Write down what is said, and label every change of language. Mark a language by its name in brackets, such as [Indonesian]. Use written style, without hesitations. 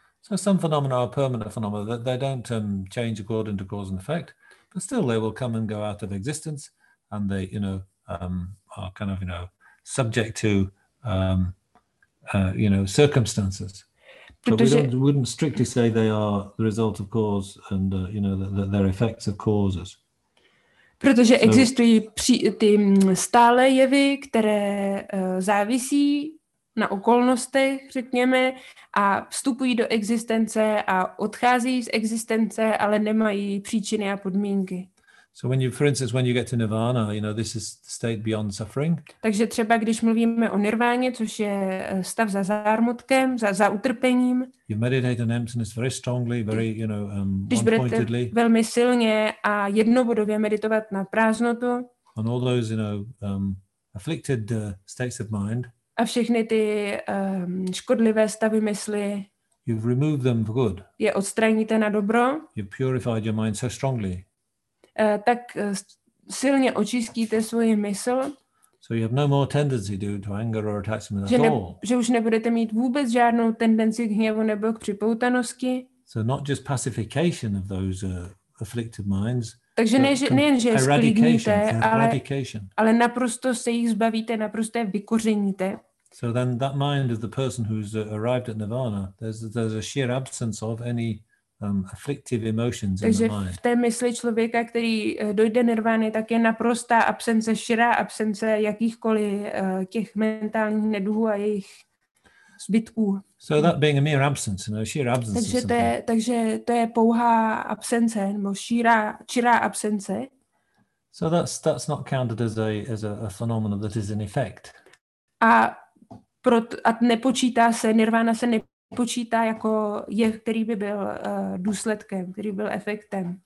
[English] So some phenomena are permanent phenomena, that they don't change according to cause and effect, but still they will come and go out of existence, and they, you know, are kind of, you know, subject to, you know, circumstances. [Czech] Protože, [English] but we wouldn't strictly say they are the result of cause and you know that they're effects of causes. [Czech] Protože existují ty stále jevy, které závisí na okolnostech, řekněme, a vstupují do existence a odchází z existence, ale nemají příčiny a podmínky. [English] So when you, for instance, when you get to nirvana, you know, this is the state beyond suffering. [Czech] Takže třeba když mluvíme o nirváně, což je stav za zármutkem, za utrpením. [English] You meditate on emptiness very strongly, very, you know, one-pointedly. [Czech] Velmi silně a jednobodově meditovat na prázdnotu. [English] On all those, you know, afflicted states of mind. [Czech] A všechny ty škodlivé stavy mysli. [English] You've removed them for good. [Czech] Je odstraníte na dobro. [English] You've purified your mind so strongly. [Czech] Tak silně očistíte svoji mysl. [English] So you have no more tendency to anger or attachment at all. [Czech] Že už nebudete mít vůbec žádnou tendenci k hněvu nebo k připoutanosti. [English] So not just pacification of those afflicted minds. [Czech] Takže nejen, že je sklidníte, ale naprosto se jich zbavíte, naprosto je vykořeníte. [English] So then that mind of the person who's arrived at nirvana, there's a sheer absence of any afflictive emotions in the mind. [Czech] Takže v té mysli člověka, který dojde nirvány, tak je naprostá absence, širá absence jakýchkoliv těch mentálních neduhů a jejich zbytků. [English] So that being a mere absence, you know, sheer absence. [Czech] Takže to je pouhá absence, nebo čirá absence. [English] So that's not counted as a phenomenon that is in effect. [Czech] A nepočítá se, nirvana se nepočítá jako jev, který by byl důsledkem, který byl efektem.